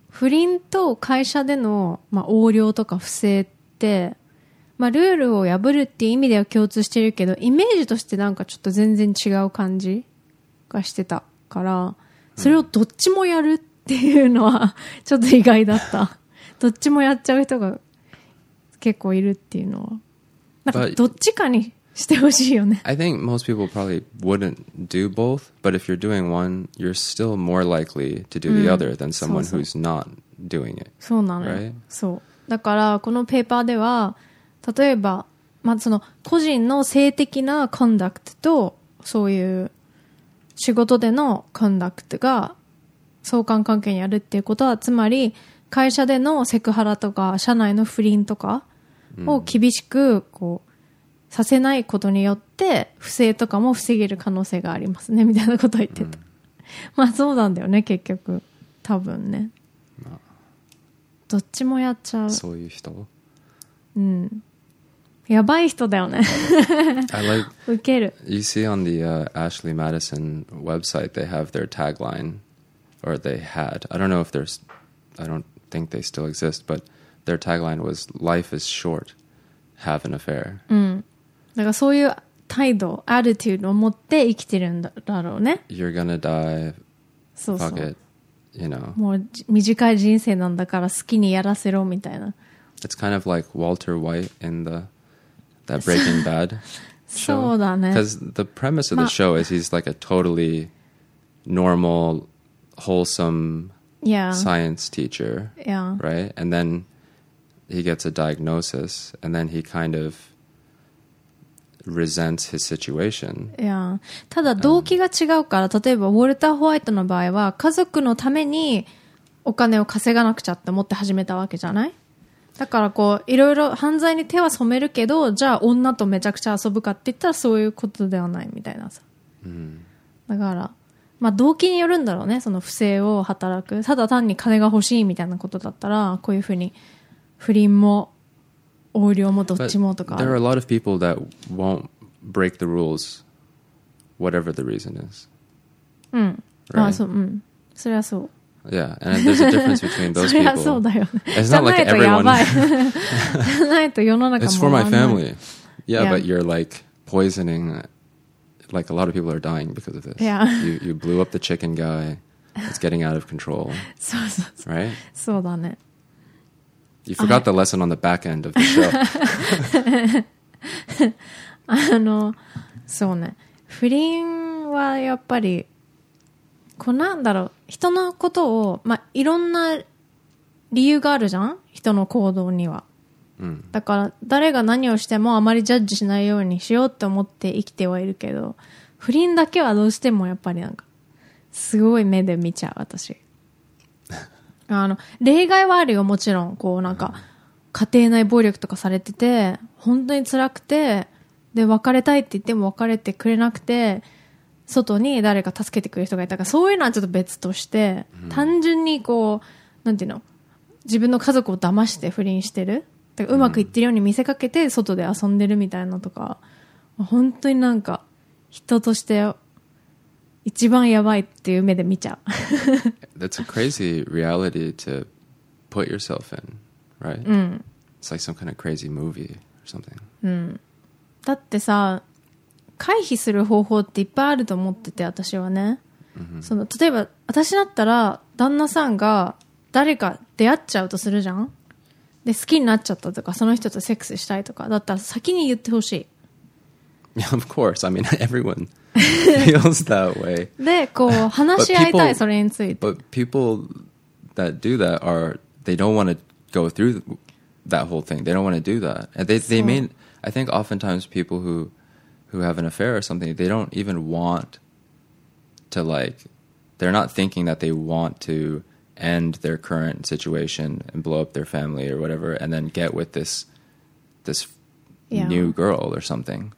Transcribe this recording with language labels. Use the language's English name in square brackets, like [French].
[Japanese] 不倫と会社での、まあ、横領とか不正って、まあ、ルールを破るっていう意味では共通してるけど、イメージとしてなんかちょっと全然違う感じがしてたから、それをどっちもやるっていうのはちょっと意外だった。どっちもやっちゃう人が結構いるっていうのは、なんかどっちかにしてほしいよね。 [English] I think most people probably wouldn't do both, but if you're doing one, you're still more likely to do the other than someone who's not doing it. [Japanese] そうなの、 [English] right? [Japanese] そう。だからこのペーパーでは、例えば、まあ、その個人の性的なコンダクトとそういう仕事でのコンダクトが相関関係にあるっていうことは、つまり会社でのセクハラとか社内の不倫とかを厳しくこうさせないことによって不正とかも防げる可能性がありますね、みたいなことを言ってた。まあそうなんだよね、結局多分ね、まあ、どっちもやっちゃう、そういう人、うん、やばい人だよね。 [English] I like, [Japanese] 受ける。 [English] You see on the、Ashley Madison website, they have their tagline, or they had, I don't know if there's, I don't think they still exist, but their tagline was life is shortHave an affair. [Japanese] だからそういう態度、アティチュードを持って生きてるんだろうね。 [English] You're gonna die. [Japanese] そうそう。 [English] Fuck it. You know. [Japanese] もう短い人生なんだから好きにやらせろみたいな。 [English] It's kind of like Walter White in that Breaking Bad show. [Japanese] そうだね。 [English] Because the premise of the show is he's like a totally normal, wholesome science teacher. Yeah. Right? And then... He gets a diagnosis, and then he kind of resents his situation. Yeah. [Japanese] ただ動機が違うから、例えばウォルター・ホワイトの場合は家族のためにお金を稼がなくちゃって思って始めたわけじゃない？だからこういろいろ犯罪に手は染めるけど、じゃあ女とめちゃくちゃ遊ぶかって言ったらそういうことではないみたいなさ。だから、まあ動機によるんだろうね。その不正を働く。ただ単に金が欲しいみたいなことだったら、こういうふうに。不倫も横領もどっちもとか。 [English] But there are a lot of people that won't break the rules, whatever the reason is. [Japanese] うん。 [English] Right? [Japanese] まあそう、うん。それはそう。 [English] Yeah, and there's a difference between those people. [Japanese] そうだよ。 [English] It's not like everyone. [Japanese] ないと世の中も。 [English] It's for my family. Yeah, but you're like poisoning. Like a lot of people are dying because of this. Yeah. You blew up the chicken guy. It's getting out of control. [Japanese] そうそうそう。 [English] Right? [Japanese] そうだね。 [English] You forgot the lesson on the back end of the show. [Japanese] あの、そうね。不倫はやっぱり、こうなんだろう。人のことを、まあ、いろんな理由があるじゃん？人の行動には。うん。だから、誰が何をしてもあまりジャッジしないようにしようって思って生きてはいるけど、不倫だけはどうしてもやっぱりなんか、すごい目で見ちゃう、私。あの、例外はあるよ、もちろん。こうなんか、家庭内暴力とかされてて、本当に辛くて、で、別れたいって言っても別れてくれなくて、外に誰か助けてくれる人がいたから、そういうのはちょっと別として、うん、単純にこう、なんていうの、自分の家族を騙して不倫してる。だからうまくいってるように見せかけて、外で遊んでるみたいなとか、本当になんか、人として、一番やばいっていう目で見ちゃう。 [English] That's a crazy reality to put yourself in, right? [Japanese] うん。 [English] It's like some kind of crazy movie or something. [Japanese] うん。だってさ、回避する方法っていっぱいあると思ってて、私はね。 Mm-hmm. その、例えば、私だったら、旦那さんが誰か出会っちゃうとするじゃん。で、好きになっちゃったとか、その人とセックスしたいとか、だったら先に言ってほしい。 [English] Yeah, of course. I mean, everyone feels that way. [Japanese] で、こう、話し合いたい、それについて。 [English] But people that do that are, they don't want to go through that whole thing. They don't want to do that. And they mean, I think oftentimes people who have an affair or something, they don't even want to, like, they're not thinking that they want to end their current situation and blow up their family or whatever and then get with this new girl or something.